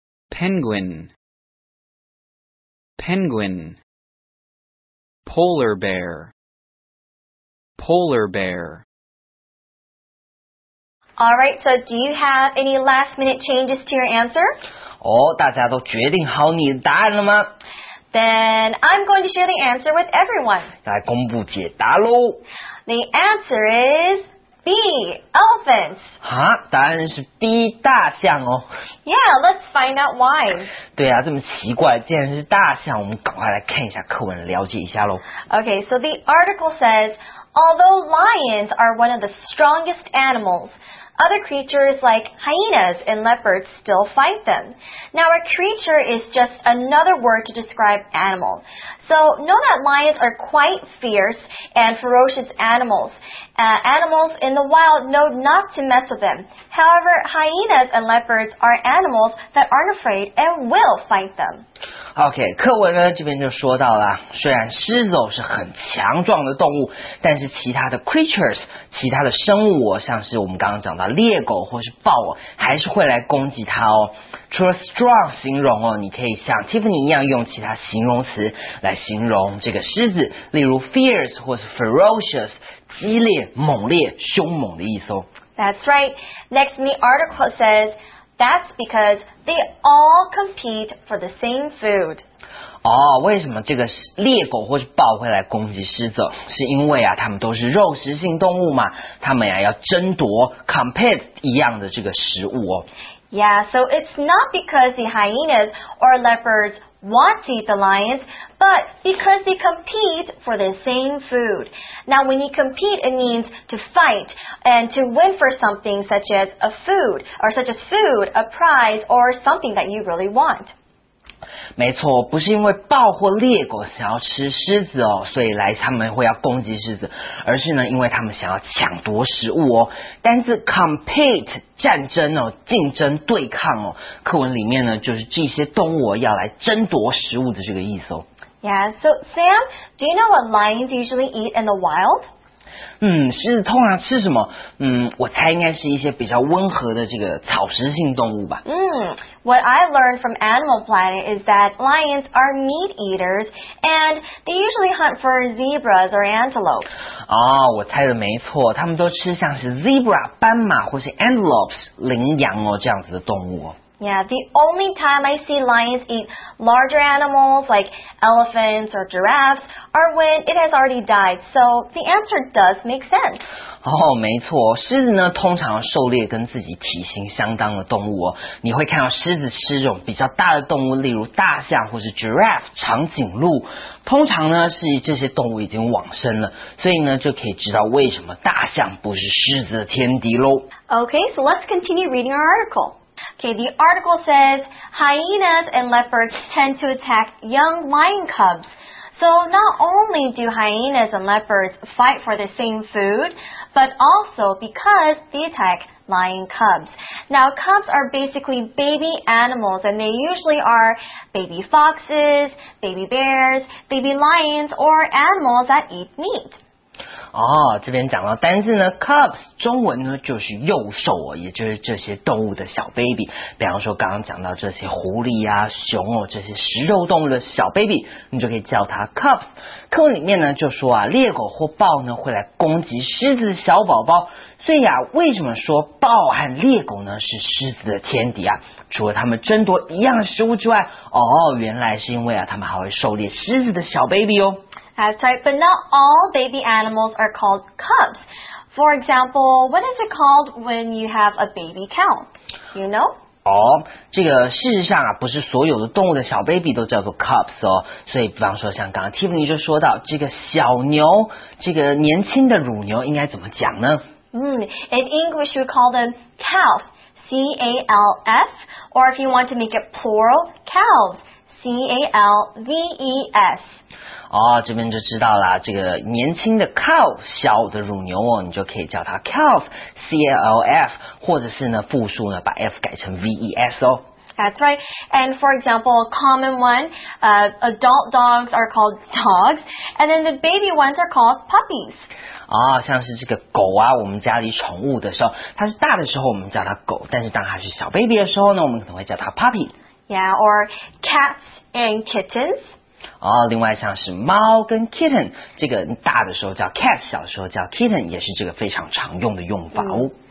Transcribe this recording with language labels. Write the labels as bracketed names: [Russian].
[English] Penguin. Penguin. Polar bear. Polar bear. All right, so do you have any last minute changes to your answer? [Chinese] 哦，大家都决定好你的答案了吗？ [English] Then I'm going to share the answer with everyone. [Chinese] 来公布解答咯。 [English] The answer is... B, elephants. [Chinese] 哈，答案是 B, 大象哦。 [English] Yeah, let's find out why. [Chinese] 对啊，这么奇怪，既然是大象，我们赶快来看一下课文，了解一下咯。 [English] Okay, so the article says, although lions are one of the strongest animals, other creatures like hyenas and leopards still fight them. Now, a creature is just another word to describe animal. So, know that lions are quite fierce and ferocious animals. Animals in the wild know not to mess with them. However, hyenas and leopards are animals that aren't afraid and will fight them. [Chinese] OK, 课文呢这边就说到了，虽然狮子是很强壮的动物，但是其他的 creatures, 其他的生物，像是我们刚刚讲到猎狗或是豹，还是会来攻击它哦。除了 strong 形容哦，你可以像 Tiffany 一样用其他形容词来形容这个狮子，例如 fierce 或是 ferocious, 激烈、猛烈、凶猛的意思哦。 [English] That's right. Next, the article says,That's because they all compete for the same food. [Chinese] 哦，为什么这个猎狗或是豹会来攻击狮子？是因为啊，它们都是肉食性动物嘛，它们呀要争夺 compete 一样的这个食物哦。 [English] Yeah, so it's not because the hyenas or leopards want to eat the lions, but because they compete for the same food. Now, when you compete, it means to fight and to win for something such as a food, or such as food, a prize, or something that you really want. [Chinese] 没错，不是因为豹或猎狗想要吃狮子哦，所以来他们会要攻击狮子，而是呢，因为他们想要抢夺食物哦。单字 compete 战争哦，竞争对抗哦，课文里面呢就是这些动物要来争夺食物的这个意思哦。 [English] Yeah, so Sam, do you know what lions usually eat in the wild? [Chinese] 狮子通常吃什么？我猜应该是一些比较温和的这个草食性动物吧。 [English] What I learned from Animal Planet is that lions are meat eaters, and they usually hunt for zebras or antelopes. [Chinese] 哦，我猜的没错，他们都吃像是 zebra 斑马或是 antelopes 羚羊哦这样子的动物哦。 [English] Yeah, the only time I see lions eat larger animals like elephants or giraffes are when it has already died. So the answer does make sense. [Chinese] 哦，没错，狮子呢通常狩猎跟自己体型相当的动物哦。你会看到狮子吃这种比较大的动物，例如大象或是 giraffe 长颈鹿。通常呢是这些动物已经往生了，所以呢就可以知道为什么大象不是狮子的天敌喽。 [English] Okay, so let's continue reading our article. Okay, the article says hyenas and leopards tend to attack young lion cubs. So not only do hyenas and leopards fight for the same food, but also because they attack lion cubs. Now, cubs are basically baby animals, and they usually are baby foxes, baby bears, baby lions, or animals that eat meat. [Chinese] 哦，这边讲到单字呢 ，cubs 中文呢就是幼兽哦，也就是这些动物的小 baby。比方说刚刚讲到这些狐狸啊、熊哦，这些食肉动物的小 baby， 你就可以叫它 cubs。课文里面呢就说啊，猎狗或豹呢会来攻击狮子的小宝宝。所以啊，为什么说豹和猎狗呢是狮子的天敌啊？除了他们争夺一样食物之外，哦，原来是因为啊，他们还会狩猎狮子的小 baby 哦。 [English] That's right, but not all baby animals are called cubs. For example, what is it called when you have a baby cow? You know? [Chinese] 哦，这个事实上啊，不是所有的动物的小 baby 都叫做 cubs 哦。所以，比方说像刚刚 Tiffany 就说到，这个小牛，这个年轻的乳牛应该怎么讲呢？ [English] In English, we call them calf, C-A-L-F, or if you want to make it plural, calves, C-A-L-V-E-S. [Chinese] 哦，这边就知道了，这个年轻的 cow 小的乳牛哦，你就可以叫它 calf C-A-L-F， 或者是呢复数呢把 F 改成 V-E-S 哦。 [English] That's right. And for example, a common one, adult dogs are called dogs, and then the baby ones are called puppies. [Chinese] 哦，像是这个狗啊，我们家里宠物的时候，它是大的时候我们叫它狗，但是当它是小 baby 的时候呢，我们可能会叫它 puppy. [English] Yeah, or cats and kittens. [Chinese] 哦，另外像是猫跟 kitten， 这个大的时候叫 cat， 小的时候叫 kitten， 也是这个非常常用的用法哦。